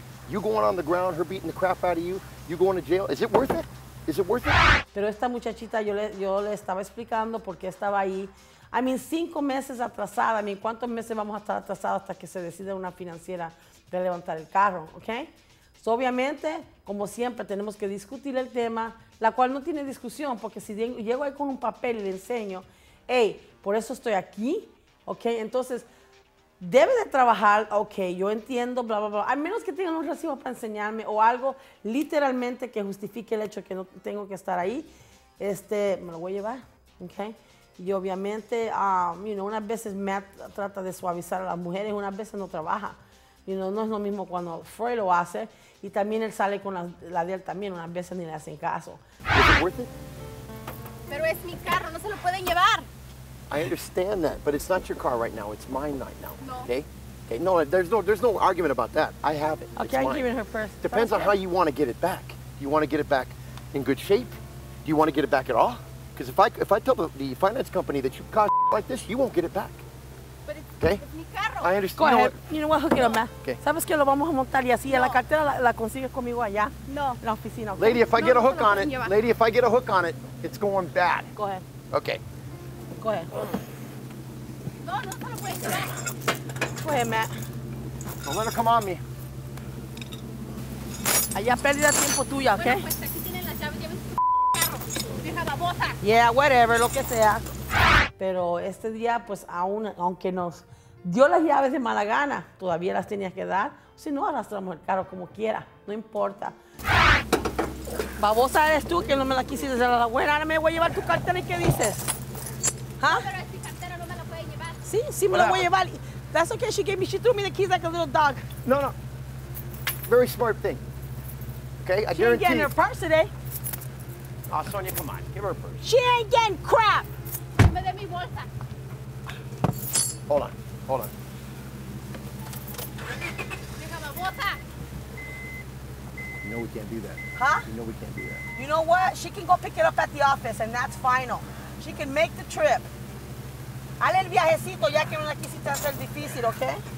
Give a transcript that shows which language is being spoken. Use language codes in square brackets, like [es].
[en] You going on the ground, her beating the crap out of you, you going to jail, is it worth it? [es] Pero esta muchachita, yo le estaba explicando por qué estaba ahí. [en] I mean, [es] 5 meses atrasada. I mean, ¿cuántos meses vamos a estar atrasados hasta que se decida una financiera de levantar el carro, ¿ok? So, obviamente, como siempre, tenemos que discutir el tema, la cual no tiene discusión, porque si llego ahí con un papel y le enseño, hey, por eso estoy aquí, ¿ok? Entonces, debe de trabajar, ok, yo entiendo, bla, bla, bla, al menos que tengan un recibo para enseñarme o algo literalmente que justifique el hecho de que no tengo que estar ahí, me lo voy a llevar, ¿ok? Y obviamente, [en] you know, [es] unas veces Matt trata de suavizar a las mujeres, unas veces no trabaja. [en] You know, [es] no es lo mismo cuando Freud lo hace y también él sale con la de él también, unas veces ni le hacen caso. [en] Is it worth it? [es] Pero es mi carro, no se lo pueden llevar. [en] I understand that, but it's not your car right now, it's mine right now. No. Okay, no, there's no argument about that. I have it. Okay, I'm giving her first. Depends on how you want to get it back. Do you want to get it back in good shape? Do you want to get it back at all? Because if I tell the finance company that you caused like this, you won't get it back. Okay. I understand. You know what? Hook it up, man. Okay. [es] Sabes que lo vamos a montar y así la cartera la consigues conmigo allá. No. La oficina. Okay? [en] Lady, if I get a hook on it, lady, if I get a hook on it, it's going bad. Go ahead. Okay. Go ahead. No, no, no, wait, Matt. Go ahead, Matt. Don't let her come on me. [es] Allá pérdida tiempo tuya, okay? Bueno, pues aquí tienen las llaves, llaves. Deja la bota. [en] Yeah, whatever, [es] lo que sea. Pero este día, pues aún, aunque nos dio las llaves de mala gana, todavía las tenías que dar. Si no, arrastramos el carro como quiera, no importa. Babosa eres tú que no me la quisiste dar a la buena. Ahora me voy a llevar tu cartera y ¿qué dices? ¿Ah? Pero esta cartera no me la puede llevar. Sí, sí, me la voy a llevar. [en] That's okay, she gave me, she threw me the keys like a little dog. No, no. Very smart thing. Okay, I guarantee. She ain't getting her purse today. Ah, oh, Sonia, come on, give her a purse. She ain't getting crap. Hold on, hold on. You know we can't do that. Huh? You know we can't do that. You know what? She can go pick it up at the office and that's final. She can make the trip. [es] Hale el viajecito ya que no la quisiste hacer difícil, ¿ok?